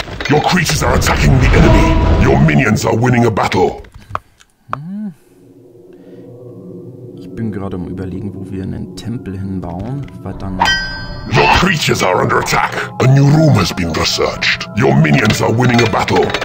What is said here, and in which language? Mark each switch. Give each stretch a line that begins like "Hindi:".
English: Your creatures are attacking the enemy. Your minions are winning a battle.
German: Ich bin gerade am Überlegen, wo wir einen Tempel hinbauen, weil dann...
English: Your creatures are under attack. A new room has been researched. Your minions are winning a battle.